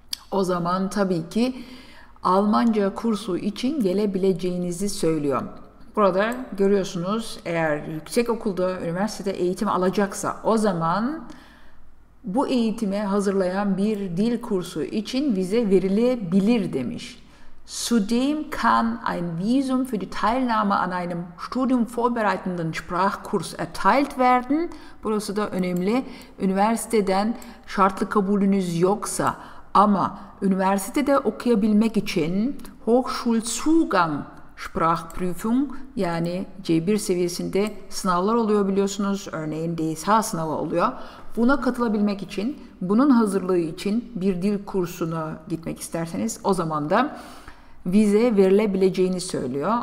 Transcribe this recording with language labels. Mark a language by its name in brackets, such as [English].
[Turkish] O zaman tabii ki Almanca kursu için gelebileceğinizi söylüyor. Burada görüyorsunuz, eğer yüksek okulda, üniversitede eğitim alacaksa o zaman bu eğitime hazırlayan bir dil kursu için vize verilebilir demiş. [German] Zudem kann ein Visum für die Teilnahme an einem studienvorbereitenden Sprachkurs erteilt werden. [Turkish] Burası da önemli. Üniversiteden şartlı kabulünüz yoksa ama üniversitede okuyabilmek için Hochschulzugang Sprachprüfung, yani C1 seviyesinde sınavlar oluyor biliyorsunuz. Örneğin DSA sınavı oluyor. Buna katılabilmek için, bunun hazırlığı için bir dil kursuna gitmek isterseniz o zaman da vize verilebileceğini söylüyor.